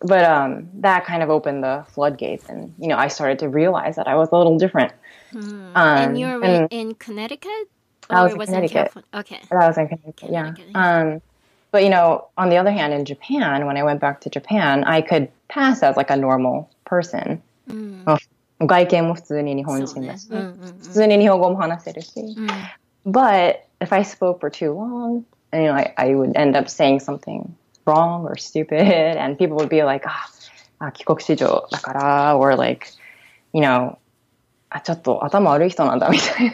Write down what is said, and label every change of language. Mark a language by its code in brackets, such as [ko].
[en] But that kind of opened the floodgates, and, you know, I started to realize that I was a little different. And you were in Connecticut? Or I was in Connecticut. Okay. I was in Connecticut, yeah. But, you know, on the other hand, in Japan, when I went back to Japan, I could pass as, like, a normal person. Well, [ja] 外見も普通に日本人だし、普通に日本語も話せるし。 [en] But if I spoke for too long, you know, I would end up saying something wrong or stupid, and people would be like, [ja] 帰国子女だから、 [en] or like, you know, [ja] ちょっと頭悪い人なんだみたいな。